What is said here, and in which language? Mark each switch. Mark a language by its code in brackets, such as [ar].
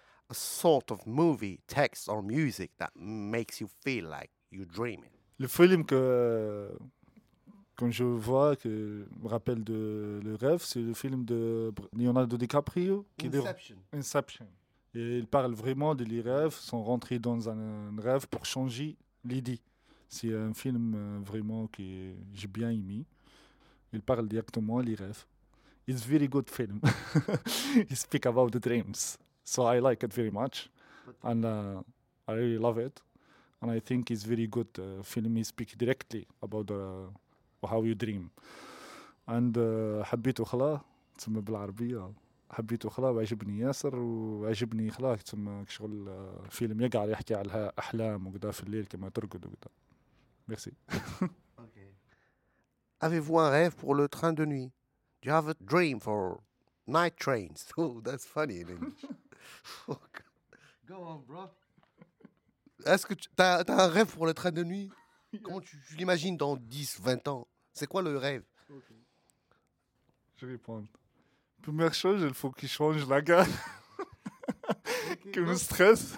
[en] A sort of movie, text or music that makes you feel like you're dreaming. [fr] Le film que quand je vois, que je me rappelle de le rêve, c'est le film de Leonardo DiCaprio. Inception. Et il parle vraiment de les rêves, sont rentrés dans un rêve pour changer l'idée. C'est un film vraiment que j'ai bien aimé. Il parle directement les rêves. [en] It's a very good film. He speaks about the dreams. So I like it very much. And I really love it. And I think it's a very good film. He speaks directly about how you dream. [ar] And حبيته خلا تسمى بالعربية. حبيته خلا وعجبني ياسر وعجبني خلا تسمى كشغل فيلم يقعد يحكي على أحلام وكذا في الليل كما ترقد وكذا. [fr] Merci. [en] Okay. [fr] Avez-vous un rêve pour le train de nuit? [en] Do you have a dream for night trains? Oh, that's funny. Go on, bro. [fr] Est-ce que t'as un rêve pour le train de nuit? [en] Yeah. [fr] Comment tu l'imagines dans 10, 20 ans? C'est quoi le rêve? [en] Okay. [fr] Je réponds. Première chose, il faut qu'il change la gare. [en] Okay. [fr] Que me stresse.